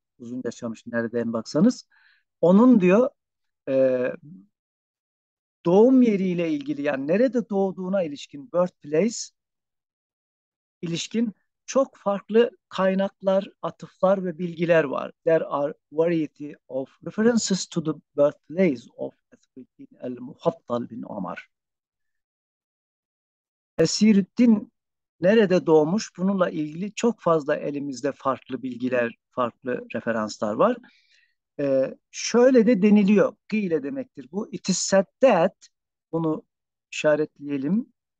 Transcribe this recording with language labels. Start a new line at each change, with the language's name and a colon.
Turkish: uzun yaşamış nereden baksanız. Onun diyor doğum yeriyle ilgili, yani nerede doğduğuna ilişkin, birthplace ilişkin çok farklı kaynaklar, atıflar ve bilgiler var.
English: There are variety of references to the birthplace of Esirüddin bin Ömer.
Turkish: Esirüddin nerede doğmuş? Bununla ilgili çok fazla elimizde farklı bilgiler, farklı referanslar var. Şöyle de deniliyor. Gıyle demektir bu.
English: It is said that,
Turkish: bunu işaretleyelim.